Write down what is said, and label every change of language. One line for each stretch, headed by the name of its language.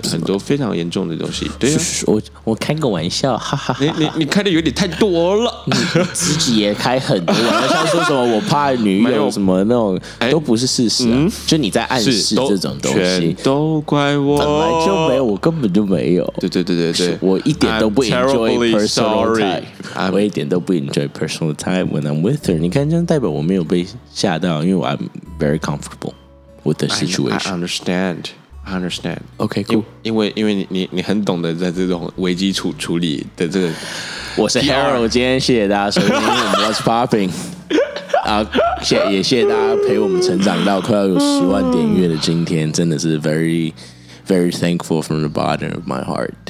Chinese: 很多非常严重的东西。对啊，我开个玩笑，哈哈。你开的有点太多了，你自己也开很多玩笑，像说什么我怕女友什么那种，都不是事实啊，嗯，就你在暗示这种东西，都全都怪我，本来就没有，我根本就没有。对对对对对，我一点都不 enjoy personal time， 我一点都不 enjoy personal time
English: when I'm with her。
Chinese: 你看，这样代表我没有被吓到，因为我
English: I'm very comfortable。With the situation, I understand. I understand. OK, cool.
Chinese: 因为 你很懂得在这种危机 处理的这个。我是 Harold， 今天谢谢大家收听我们 What's Popping 、也谢谢大家陪我们成长到快要有十万点阅的今天，真的是
English: very very thankful from the bottom of my heart。